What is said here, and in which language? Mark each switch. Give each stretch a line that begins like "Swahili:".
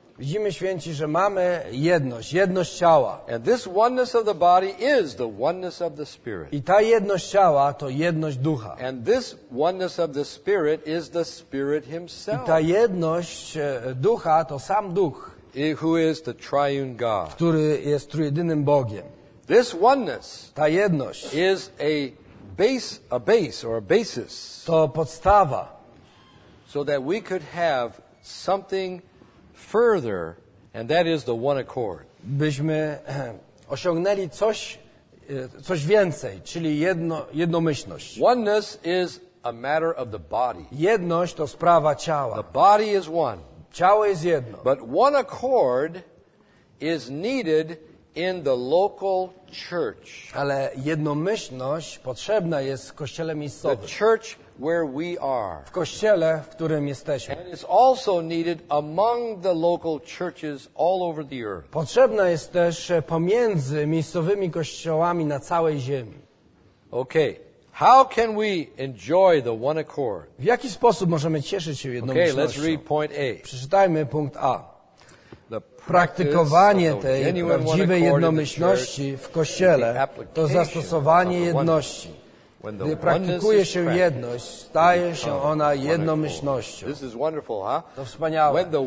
Polish: Widzimy, święci, że mamy jedność, jedność ciała.
English: And this oneness of the body is the oneness of the spirit.
Polish: I ta jedność ciała to jedność ducha.
English: And this oneness of the spirit is the spirit himself.
Polish: I ta jedność ducha to sam duch.
English: Who is the triune God.
Polish: Który jest trójjedynym Bogiem.
English: This oneness,
Polish: ta jedność,
English: is a base or a basis.
Polish: To podstawa.
English: So that we could have something further, and that is the one accord.
Polish: Byśmy osiągnęli coś więcej, czyli jednomyślność.
English: Oneness is a matter of the body.
Polish: Jedność to sprawa ciała.
English: The body is one.
Polish: Ciało jest jedno.
English: But one accord is needed in the local church.
Polish: Ale jednomyślność potrzebna jest w kościele miejscowym.
English: The church where we are.
Polish: W kościele, w którym jesteśmy.
English: And it's also needed among the local churches all over the earth.
Polish: Potrzebna jest też pomiędzy miejscowymi kościołami na całej ziemi.
English: Okay. How can we enjoy the one accord?
Polish: W jaki sposób możemy cieszyć się jednomyślnością?
English: Okay, let's read point A.
Polish: Przeczytajmy punkt A. Praktykowanie tej prawdziwej jednomyślności w Kościele to zastosowanie jedności. Gdy praktykuje się jedność, staje się ona jednomyślnością. To wspaniałe.